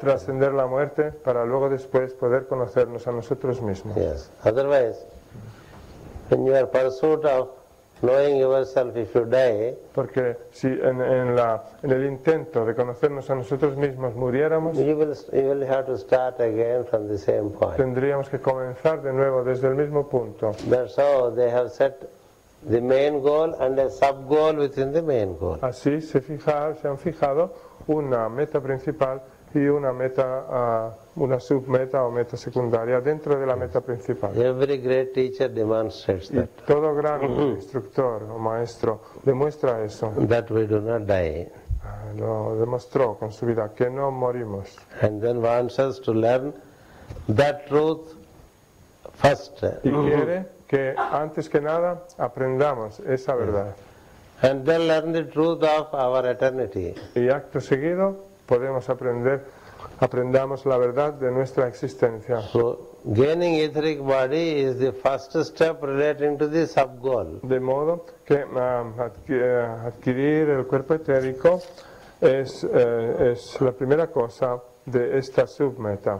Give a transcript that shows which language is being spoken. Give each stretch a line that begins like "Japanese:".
Spanish: Trascender la muerte para luego después poder conocernos a nosotros mismos.
English: Yes. Otherwise, in your pursuit of knowing yourself, if you die,
Spanish: porque si en el intento de conocernos a nosotros mismos muriéramos,
English: you will have to start again from the same point.
Spanish: Tendríamos que comenzar de nuevo desde el mismo punto.
English: That's how they have set the main goal and a sub-goal within the main goal.
Spanish: Así se han fijado una meta principal y una meta una submeta o meta secundaria dentro de la meta principal.
English: Every great teacher demonstrates that.
Spanish: Y todo gran instructor o maestro demuestra eso.
English: That we do not die.
Spanish: Lo demostró con su vida que no morimos.
English: And then wants us to learn that truth first.
Spanish: Y quiere que antes que nada aprendamos esa verdad.
English: And then learn the truth of our eternity.
Spanish: Y acto seguido podemos aprendamos la verdad de nuestra existencia.
English: So, gaining etheric body is the first step relating to the sub-goal.
Spanish: De modo que adquirir el cuerpo etérico es la primera cosa de esta submeta.